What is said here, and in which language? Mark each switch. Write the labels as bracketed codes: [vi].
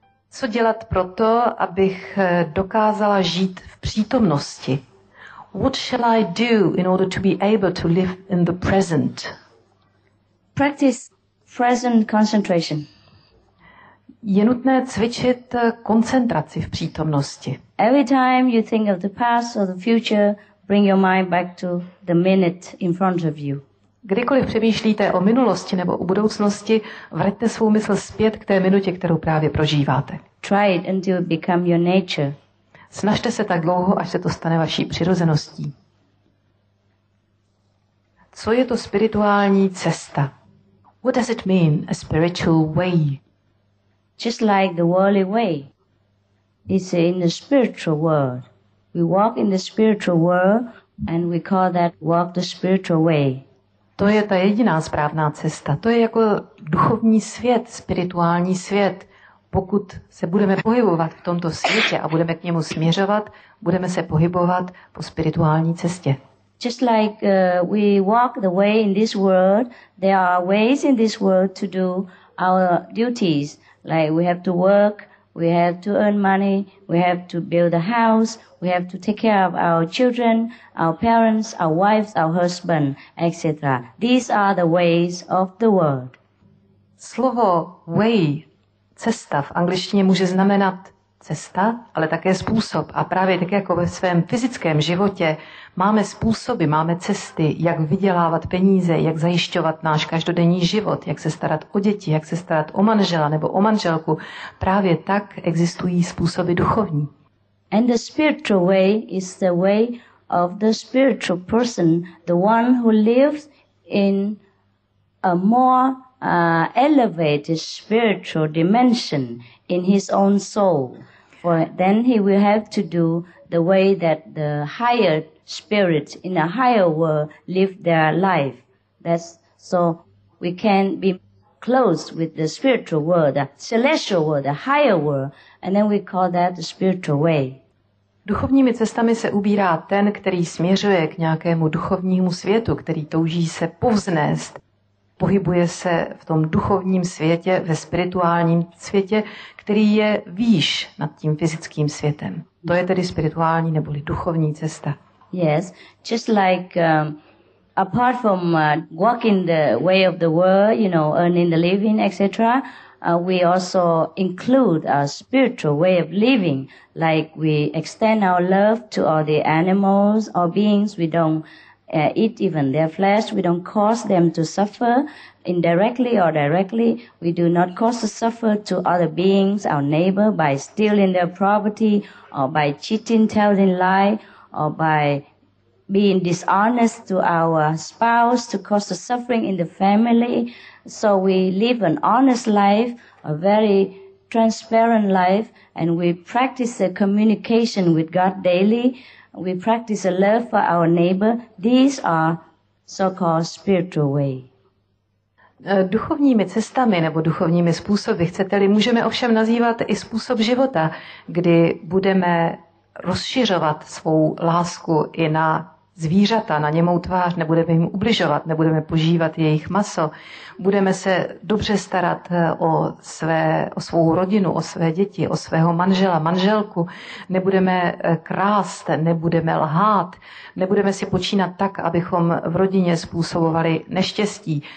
[cs] Co dělat proto, abych dokázala žít v přítomnosti? [en] What shall I do in order to be able to live in the present? Practice present concentration. [cs] Je nutné cvičit koncentraci v přítomnosti. [en] Every time you think of the past or the future, bring your mind back to the minute in front of you. [cs] Kdykoliv přemýšlíte o minulosti nebo o budoucnosti, vraťte svou mysl zpět k té minutě, kterou právě prožíváte. [en] Try it until it become your nature. [cs] Snažte se tak dlouho, až se to stane vaší přirozeností. Co je to spirituální cesta? [en] What does it mean, a spiritual way? Just like the worldly way. It's in the spiritual world. We walk in the spiritual world and we call that walk the spiritual way. [cs] To je ta jediná správná cesta. To je jako duchovní svět, spirituální svět. Pokud se budeme pohybovat v tomto světě a budeme k němu směřovat, budeme se pohybovat po spirituální cestě. [en] Just like we walk the way in this world, there are ways in this world to do our duties. Like we have to work, we have to earn money, we have to build a house, we have to take care of our children, our parents, our wives, our husband, etc. These are the ways of the world. [cs] Slovo way, cesta v angličtině může znamenat cesta, ale také způsob. A právě tak jako ve svém fyzickém životě máme způsoby, máme cesty, jak vydělávat peníze, jak zajišťovat náš každodenní život, jak se starat o děti, jak se starat o manžela nebo o manželku. Právě tak existují způsoby duchovní. [en] And the spiritual way is the way of the spiritual person, the one who lives in a more elevated spiritual dimension in his own soul. For then he will have to do the way that the higher spirits in a higher world live their life. That's so we can be close with the spiritual world, the celestial world, the higher world, and then we call that the spiritual way. [cs] Duchovními cestami se ubírá ten, který směřuje k nějakému duchovnímu světu, který touží se povznést. Pohybuje se v tom duchovním světě, ve spirituálním světě, který je výš nad tím fyzickým světem. To je tedy spirituální neboli duchovní cesta. [en] Yes, just like apart from walking the way of the world, you know, earning the living, etc., we also include our spiritual way of living, like we extend our love to all the animals or beings we don't eat even their flesh. We don't cause them to suffer indirectly or directly. We do not cause the suffer to other beings, our neighbor, by stealing their property or by cheating, telling lie, or by being dishonest to our spouse to cause the suffering in the family. So we live an honest life, a very transparent life, and we practice the communication with God daily. We practice a love for our neighbor. These are so-called spiritual way. [cs] Duchovními cestami nebo duchovními způsoby, chcete-li, můžeme ovšem nazývat i způsob života, kdy budeme rozšiřovat svou lásku i na zvířata, na němou tvář, nebudeme jim ubližovat, nebudeme požívat jejich maso, budeme se dobře starat o svou rodinu, o své děti, o svého manžela, manželku, nebudeme krást, nebudeme lhát, nebudeme si počínat tak, abychom v rodině způsobovali neštěstí.